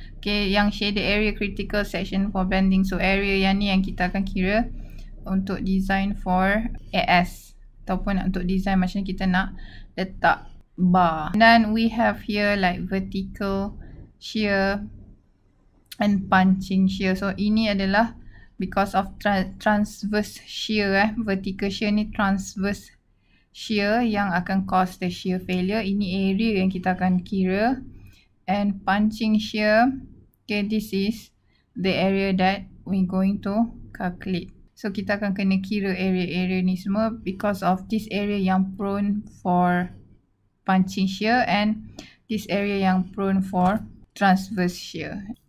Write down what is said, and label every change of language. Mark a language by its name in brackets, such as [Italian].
[Malay] Okay, yang shaded area [English] critical section for bending. [Malay] So area yang ni yang kita akan kira untuk design for AS ataupun untuk design macam kita nak letak bar. [English] And then we have here like vertical shear and punching shear. [Malay] So ini adalah [English] because of transverse shear [Malay] eh. Vertical shear ni transverse shear yang akan [English] cause the shear failure. [Malay] Ini area yang kita akan kira. [English] And punching shear, okay, this is the area that we going to calculate. [Malay] So kita akan kena kira area-area ni semua [English] because of this area [Malay] yang [English] prone for punching shear and this area [Malay] yang [English] prone for transverse shear.